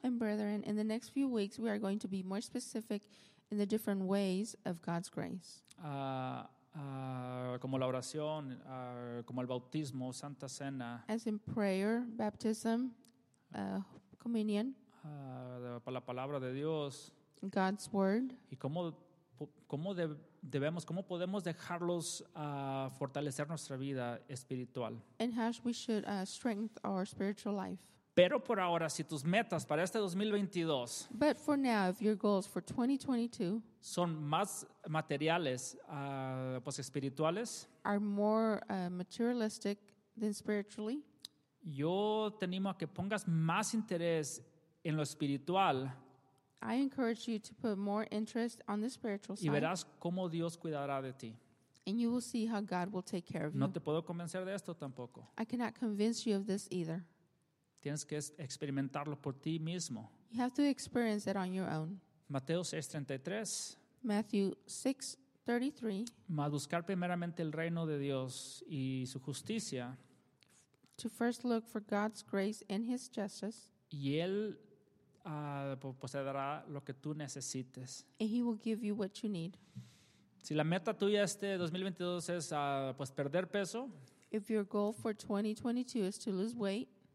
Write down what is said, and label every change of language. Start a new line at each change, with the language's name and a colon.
English: And brethren, in the next few weeks we are going to be more specific in the different ways of God's grace.
Spanish: Como la oración, como el bautismo, Santa Cena.
English: As in prayer, baptism, communion.
Spanish: La palabra de Dios.
English: God's word.
Spanish: Y cómo podemos dejarlos fortalecer nuestra vida espiritual.
English: And how we should strengthen our spiritual life.
Spanish: Pero por ahora, si tus metas para este 2022,
English: but for now, if your goals for 2022
Spanish: son más materiales, pues espirituales,
English: are more materialistic than spiritually,
Spanish: yo te animo a que pongas más interés en lo espiritual.
English: I encourage you to put more interest on the spiritual side.
Spanish: Y verás cómo Dios cuidará de ti.
English: And you will see how God will take care of you.
Spanish: No te puedo convencer de esto tampoco.
English: I cannot convince you of this either.
Spanish: Tienes que experimentarlo por ti mismo.
English: You have to experience it on your own.
Spanish: Mateo 6:33.
English: Matthew 6:33.
Spanish: Mas buscar primeramente el reino de Dios y su justicia.
English: To first look for God's grace and his justice.
Spanish: Y él pues te dará lo que tú necesites.
English: And he will give you what you need.
Spanish: Si la meta tuya este 2022 es pues perder peso,
English: if your goal for 2022 is to lose weight,